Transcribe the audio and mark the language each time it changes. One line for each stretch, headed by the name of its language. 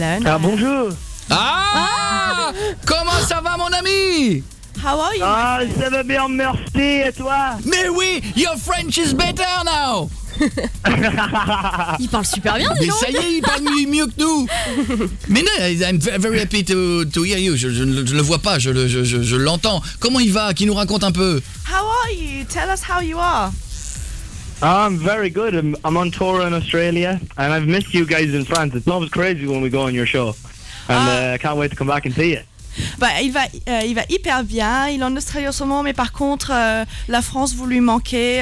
French: Niall. Ah bonjour. Ah, comment ça va, mon ami?
English: How are you?
French: Ah, ça va bien, merci. Et toi? Mais oui,
English: your French is better now.
French: Il parle super bien, mais ça y est, il parle mieux que nous. Mais non,
English: I'm very happy to hear you.
French: Je le vois pas, je l'entends. Comment il va? Qui nous raconte un peu?
English: How are you? Tell us how you are. I'm very good. I'm on tour in Australia, and I've missed you guys in France. It's always crazy when we go on your show, and I can't wait to come back and see you.
French: Bah, il va hyper bien. Il est en Australie en ce moment, mais par contre, la France, vous lui manquez.